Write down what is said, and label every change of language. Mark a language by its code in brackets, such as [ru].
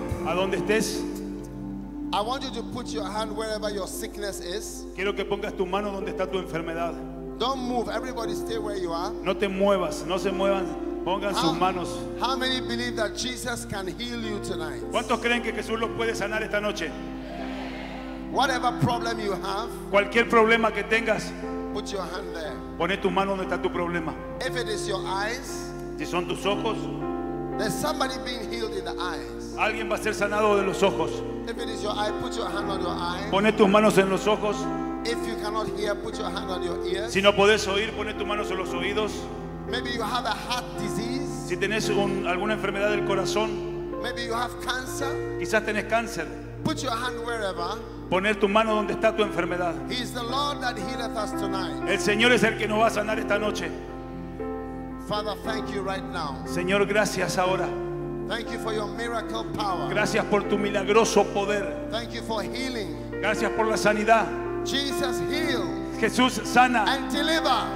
[en] I want you to put your hand wherever your sickness is. [es] Quiero que pongas tu mano donde está tu enfermedad. [en] Don't move. Everybody stay where you are. [es] No te muevas, no se muevan. Pongan sus manos. [en] How many believe that Jesus can heal you tonight? [es] ¿Cuántos creen que Jesús los puede sanar esta noche? [en] Whatever problem you have. [es] Cualquier problema que tengas. [en] Put your hand there. [es] Pone tu mano donde está tu problema. [en] If it is your eyes. [es] Si son tus ojos. [en] There's somebody being healed in the eyes. [es] Alguien va a ser sanado de los ojos. [en] If it is your eye, put your hand on your eye. [es] Pone tus manos en los ojos. [en] If you cannot hear, put your hand on your ears. [es] Si no puedes oír, pone tus manos en los oídos. [en] Maybe you have a heart disease. [es] Si tenés alguna enfermedad del corazón. [en] Maybe you have cancer. [es] Quizás tenés cáncer. [en] Put your hand wherever. [es] Poner tu mano donde está tu enfermedad. [en] He is the Lord that healeth us tonight. [es] El Señor es el que nos va a sanar esta noche. [en] Father, thank you right now. [es] Señor, gracias ahora. [en] Thank you for your miracle power. [es] Gracias por tu milagroso poder. [en] Thank you for healing. [es] Gracias por la sanidad. [en] Jesus heals. [es] Jesús sana. [en] And deliver.